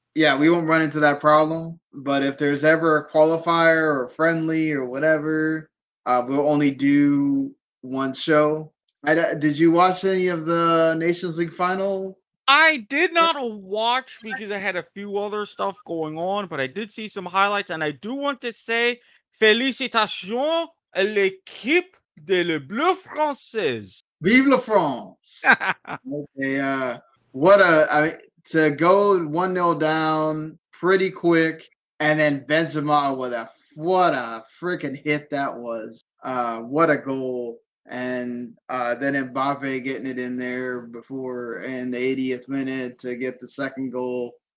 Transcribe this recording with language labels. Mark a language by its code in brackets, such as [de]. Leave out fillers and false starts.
[en] yeah, we won't run into that problem. But if there's ever a qualifier or a friendly or whatever, we'll only do one show. Did you watch any of the Nations League final? I did not watch because I had a few other stuff going on, but I did see some highlights. And I do want to say, [fr] félicitations à l'équipe de la Bleu Française. Vive la France. [en] Okay, to go 1-0 down pretty quick, and then Benzema with a, what a freaking hit that was. What a goal. And then Mbappe getting it in there before in the 80th minute to get the second goal.